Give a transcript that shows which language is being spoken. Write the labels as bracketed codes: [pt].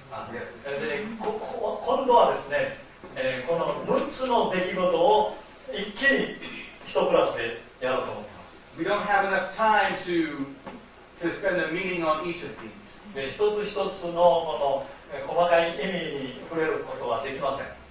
[ja] で、今度はですね、この6つの出来事を 一気に1クラスでやろうと思います。 [en] We don't have enough time to spend a meeting on each of these. [ja] で、一つ一つのこの細かい意味に触れることはできません。